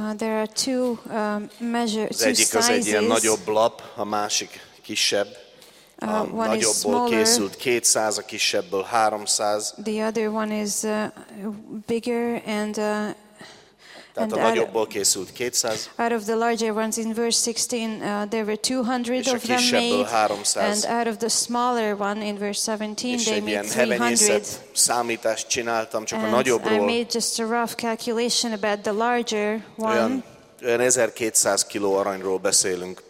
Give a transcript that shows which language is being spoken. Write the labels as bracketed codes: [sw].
[en] There are two measure, [hu] az egyik [en] two sizes. [hu] Az egy ilyen nagyobb lap, a másik kisebb. A nagyobbból készült 200, a kisebbből 300. [en] The other one is bigger and [hu] Tehát a nagyobbból készült 200. [en] Out of the larger ones in verse 16 there were 200 of them made. 300. And out of the smaller one in verse 17 they made 300. [hu] Számítást csináltam csak a nagyobbról. [en] I made just a rough calculation about the larger one. [hu] Olyan 1200 kiló aranyról beszélünk.